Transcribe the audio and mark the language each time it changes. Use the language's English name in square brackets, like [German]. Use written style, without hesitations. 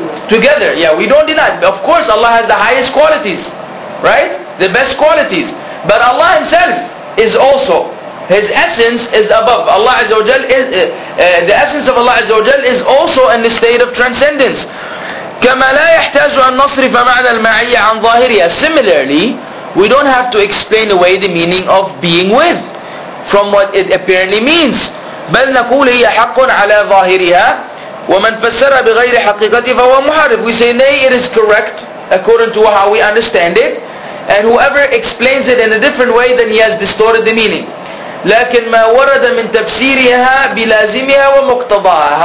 [English] Together, yeah, we don't deny. Of course, Allah has the highest qualities, right? The best qualities. But Allah Himself is also, His essence is above. Allah Azza wa Jal is, the essence of Allah Azza wa Jal is also in the state of transcendence. [Arabic] كما لا يحتاج أن نصرف معنى المعية عن ظاهرية. [English] Similarly, we don't have to explain away the meaning of being with from what it apparently means. [Arabic] بل نقول هي حق على ظاهرها ومن فسر بغير حقيقته فهو محارب. [English] We say, nay, it is correct according to how we understand it, and whoever explains it in a different way, then he has distorted the meaning. [Arabic] لكن ما ورد من تفسيرها بلازمها ومقتضاها.